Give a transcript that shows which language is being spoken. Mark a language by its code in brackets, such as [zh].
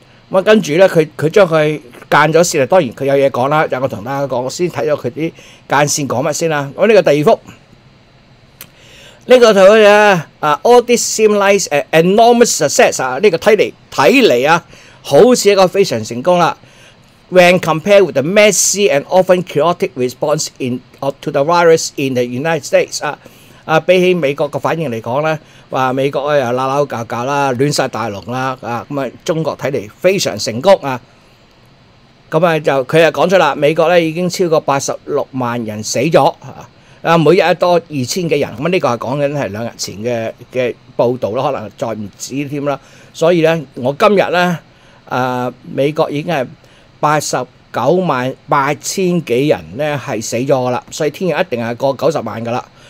[yue] 咁跟住咧，佢將佢間咗線啦。當然佢有嘢講啦，就我同大家講，我先睇咗佢啲間線講乜先啦。我呢個第二幅，呢、這個圖咧啊 ， [en] all this seems like an enormous success [yue] 啊！呢個睇嚟啊，好似一個非常成功啦。 [en] When compared with the messy and often chaotic response to the virus in the United States 啊。 [yue] 啊，比起美國嘅反應嚟講咧，話美國咧又鬧鬧教教啦，亂曬大龍啦，啊，咁啊，中國睇嚟非常成功啊，咁啊就佢又講出啦，美國咧已經超過86萬人死咗啊，每日多2000嘅人，咁呢個係講緊係兩日前嘅報導啦，可能再唔止添啦，所以咧我今日咧，美國已經係89萬8000幾人咧係死咗噶啦，所以聽日一定係過90萬噶啦。